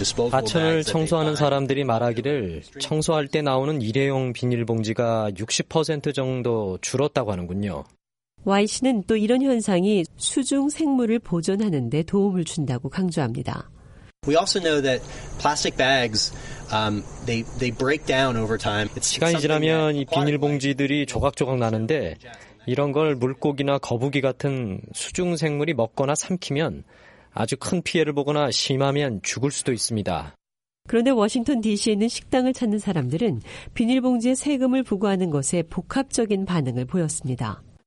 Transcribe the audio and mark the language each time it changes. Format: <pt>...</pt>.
<ko>하천을 청소하는 사람들이 말하기를 청소할 때 나오는 일회용 비닐봉지가 60% 정도 줄었다고 하는군요. Y 씨는 또 이런 현상이 수중 생물을 보존하는 데 도움을 준다고 강조합니다.</ko> <en>We also know that plastic bags they break down over time.</en> <ko>시간이 지나면 이 비닐봉지들이 조각조각 나는데 이런 걸 물고기나 거북이 같은 수중 생물이 먹거나 삼키면 아주 큰 피해를 보거나 심하면 죽을 수도 있습니다. 그런데 워싱턴 DC에 있는 식당을 찾는 사람들은 비닐봉지에 세금을 부과하는 것에 복합적인 반응을 보였습니다.</ko>